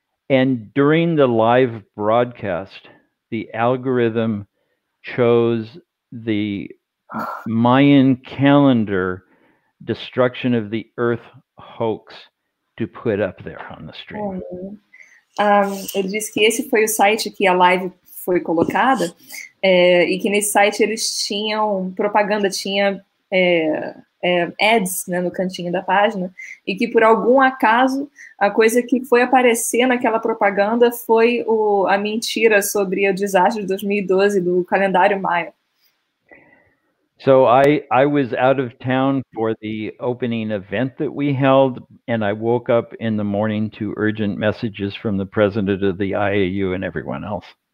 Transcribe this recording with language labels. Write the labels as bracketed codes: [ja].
[en] And during the live broadcast, the algorithm chose the Mayan calendar destruction of the earth hoax to put up there on the stream. [pt] Ele disse que esse foi o site que a live foi colocada, e que nesse site eles tinham propaganda, tinha ads, né, no cantinho da página, e que por algum acaso a coisa que foi aparecer naquela propaganda foi a mentira sobre o desastre de 2012 do calendário Maia. [en] So I was out of town for the opening event that we held, and I woke up in the morning to urgent messages from the president of the IAU and everyone else.